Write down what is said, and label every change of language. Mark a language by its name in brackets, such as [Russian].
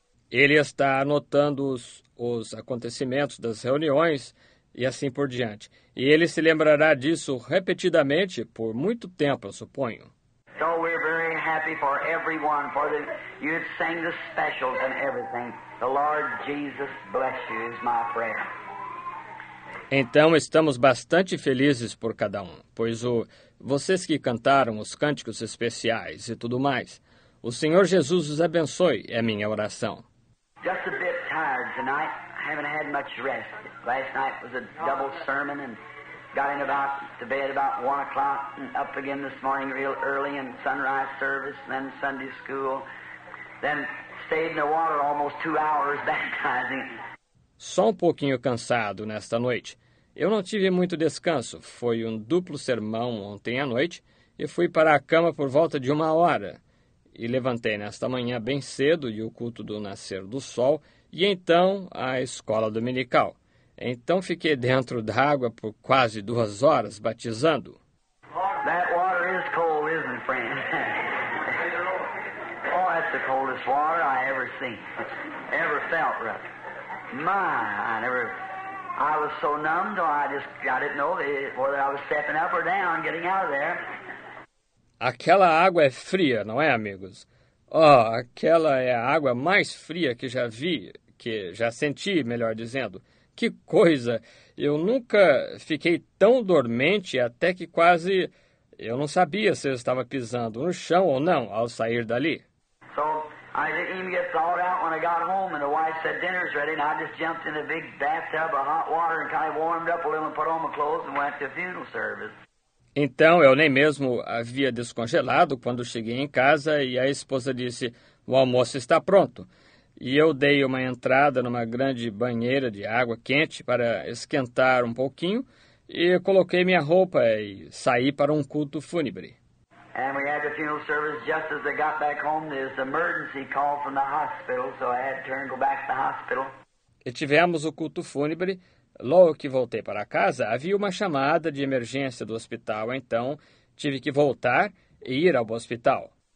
[Portuguese] Ele está anotando os acontecimentos das reuniões e assim por diante. E ele se lembrará disso repetidamente por muito tempo, eu suponho. [English] So we're very happy for everyone, for the you'd sing the specials and everything. The Lord Jesus bless you is my prayer. [Portuguese] Então estamos bastante felizes por cada um, pois vocês que cantaram os cânticos especiais e tudo mais, o Senhor Jesus os abençoe, é minha oração. [English] Just a bit tired tonight. I haven't had much rest. Last night was a double sermon and got in about to bed about 1 o'clock and up again this morning real early in sunrise service and then Sunday school. Then stayed in the water almost 2 hours baptizing. [Portuguese] Só um pouquinho cansado nesta noite. Eu não tive muito descanso. Foi um duplo sermão ontem à noite e fui para a cama por volta de 1 hora. E levantei nesta manhã bem cedo e o culto do nascer do sol e então a escola dominical. Então fiquei dentro da água por quase 2 horas batizando. [English] That water is cold, isn't it, friend? Oh, that's the coldest water I ever seen, ever felt, really. My, I was so numb, though I didn't know whether I was stepping up or down, getting out of there. [Portuguese] Aquela água é fria, não é, amigos? Oh, aquela é a água mais fria que já vi, que já senti, melhor dizendo. Que coisa! Eu nunca fiquei tão dormente até que quase eu não sabia se eu estava pisando no chão ou não ao sair dali. [English] So, I didn't even get thawed out when I got home and the wife said dinner's ready and I just jumped in a big bathtub of hot water and kind of warmed up a little and put on my clothes and went to the funeral service. [Portuguese] Então, eu nem mesmo havia descongelado quando cheguei em casa e a esposa disse, o almoço está pronto. E eu dei uma entrada numa grande banheira de água quente para esquentar um pouquinho e coloquei minha roupa e saí para um culto fúnebre. [English] And we had the funeral service just as I got back home. There's an emergency call from the hospital, so I had to turn and go back to the hospital. [Portuguese] E tivemos o culto fúnebre. Logo que voltei para casa, havia uma chamada de emergência do hospital, então tive que voltar e ir ao hospital.